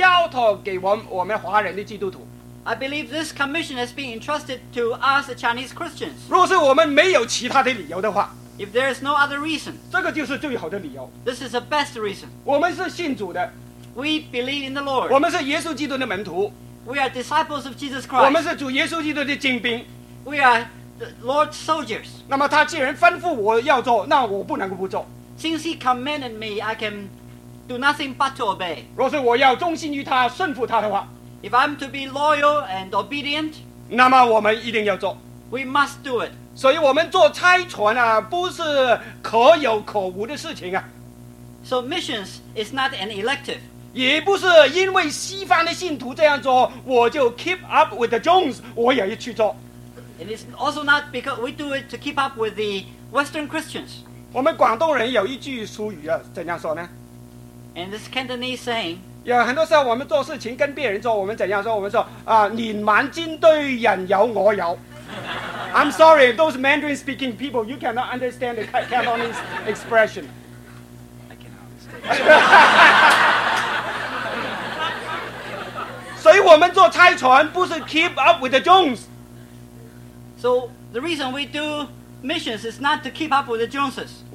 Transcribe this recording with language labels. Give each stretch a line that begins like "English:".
Chinese: 所以我相信这个使命也交托给我们华人的基督徒。
English: I believe this commission has been entrusted to us, the Chinese Christians.
Chinese: 若是我们没有其他的理由的话，
English: If there is no other reason,
Chinese: 这个就是最好的理由。
English: This is the best reason.
Chinese: 我们是信主的。
English: We believe in the Lord.
Chinese: 我们是耶稣基督的门徒。
English: We are disciples of Jesus Christ.
Chinese: 我们是主耶稣基督的精兵。
English: We are the Lord's soldiers.
Chinese: 那么他既然吩咐我要做，那我不能够不做。
English: Since he commanded me, I can do nothing but to obey.
Chinese: 若是我要忠心于他，顺服他的话，
English: If I'm to be loyal and obedient,
Chinese: 那么我们一定要做。
English: We must do it.
Chinese: 所以我们做差传啊， 不是可有可无的事情啊。
English: So missions is not an elective.
Chinese: 也不是因为西方的信徒这样做， 我就
English: keep up with the Jones，
Chinese: 我也要去做。
English: And it's also not because we do it to keep up with the Western Christians.
Chinese: 我们广东人有一句俗语啊，怎样说呢？
English: And this Cantonese saying,
Chinese: 有很多时候我们做事情跟别人做，我们怎样说？我们说啊，你蛮金对人有我有。
English: I'm sorry, those Mandarin speaking people, you cannot understand the Cantonese expression. I cannot.
Chinese: 所以我们做差传不是
English: keep up with the Jones. So the reason we do missions is not to keep up with the Joneses.